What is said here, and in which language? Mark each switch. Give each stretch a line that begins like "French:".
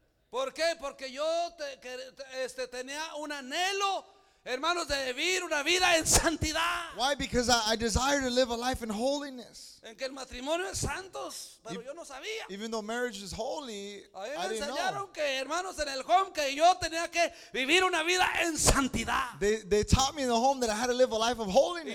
Spanish: ¿Por qué? Porque yo tenía un anhelo, hermanos, de vivir una vida en santidad.
English: Why? Because I desire to live a life in holiness.
Spanish: En que el matrimonio es santos, pero yo no sabía.
English: Even though marriage is holy, I didn't know.
Spanish: Me enseñaron que, hermanos, en el home que yo tenía que vivir una vida en santidad.
English: They taught me in the home that I had to live a life of holiness.